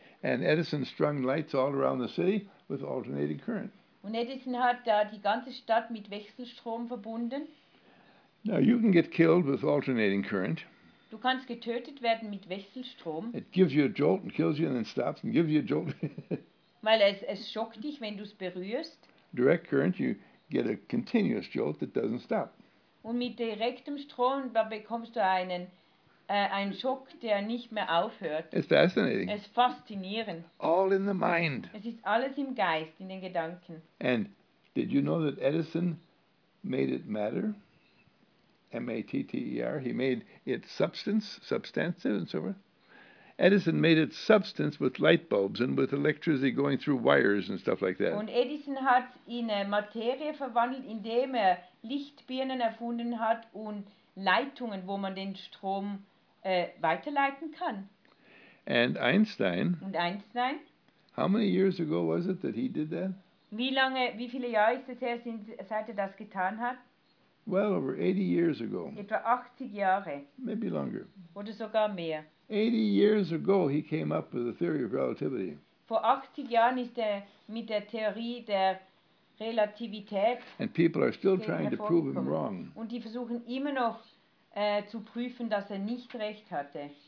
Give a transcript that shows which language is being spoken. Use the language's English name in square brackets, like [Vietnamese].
[English] And Edison strung lights all around the city with alternating current. [German] Und Edison hat da die ganze Stadt mit Wechselstrom verbunden. [English] Now you can get killed with alternating current. [German] Du kannst getötet werden mit Wechselstrom. [English] It gives you a jolt and kills you and then stops and gives you a jolt. [German] Weil es schockt dich, wenn du es berührst. [English] Direct current, you get a continuous jolt that doesn't stop. [German] Und mit direktem Strom, da bekommst du einen Schock, der nicht mehr aufhört. [English] It's fascinating. [German] Es ist faszinierend. [English] All in the mind. [German] Es ist alles im Geist, in den Gedanken. [English] And did you know that Edison made it matter? M-A-T-T-E-R. He made it substantive and so forth. Edison made it substance with light bulbs and with electricity going through wires and stuff like that. [German] Und Edison hat in Materie verwandelt, indem er Lichtbirnen erfunden hat und Leitungen, wo man den Strom weiterleiten kann. [English] And Einstein. [German] Und Einstein. [English] How many years ago was it that he did that? [German] Wie viele Jahre ist es her, seit er das getan hat? [English] Well, over 80 years ago. [German] Etwa 80 Jahre. [English] Maybe longer. [German] Oder sogar mehr. [English] 80 years ago, he came up with the theory of relativity. [German] Vor 80 Jahren ist er mit der Theorie der Relativität. [English] And people are still trying to prove him wrong. [German] Und die versuchen immer noch zu prüfen, dass er nicht recht hatte.